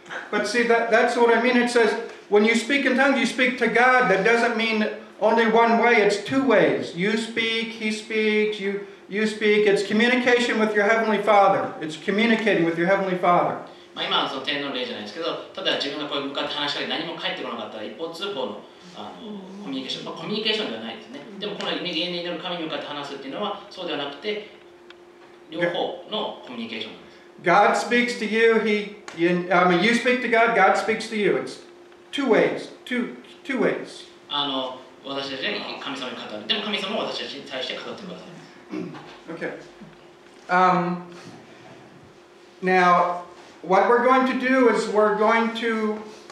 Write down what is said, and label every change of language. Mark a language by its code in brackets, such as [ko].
[en] But see, that's what I mean. It says, when you speak in tongues, you speak to God. That doesn't mean only one way. It's two ways. You speak, he speaks, you speak. It's communication with your Heavenly Father. It's communicating with your Heavenly Father. [ja] まあ、今のその天の霊じゃないですけど、ただ自分の声に向かって話したり何も返ってこなかったら一方通行の、コミュニケーション、まあ、コミュニケーションではないですね。でもこの異変に祈る神に向かって話すっていうのはそうではなくて、両方のコミュニケーションなんです。 [en] God speaks to you, you speak to God, God speaks to you. It's two ways, two ways. [ja] 私たちに神様に語る。でも神様も私たちに対して語ってください。 [en] Okay. Now,What we're going to do is what are we going to do?